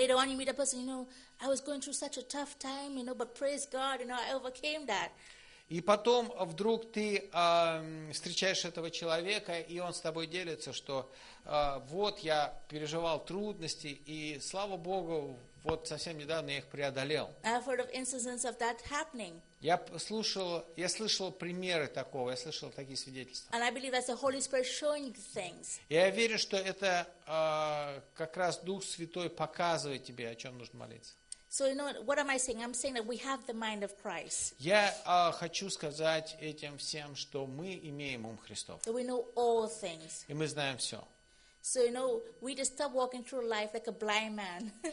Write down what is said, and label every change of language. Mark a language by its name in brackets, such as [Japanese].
[English] And later on you meet a person, you know, I was going through such a tough time, you know, but praise God, you know, I overcame that. [Russian] И потом вдруг ты встречаешь этого человека, и он с тобой делится, что вот я переживал трудности, и слава Богу, вот совсем недавно я их преодолел. [English] I've heard of instances of that happening. [Russian] Я слышал примеры такого, я слышал такие свидетельства. [English] And I believe that's the Holy Spirit showing things. [Russian] Я верю, что это как раз Дух Святой показывает тебе, о чем нужно молиться. [English] So you know what am I saying? I'm saying that we have the mind of Christ. [Russian] Я хочу сказать этим всем, что мы имеем ум Христов. [English] That we know all things. [Russian] И мы знаем все. [English] So you know we just stop walking through life like a blind man.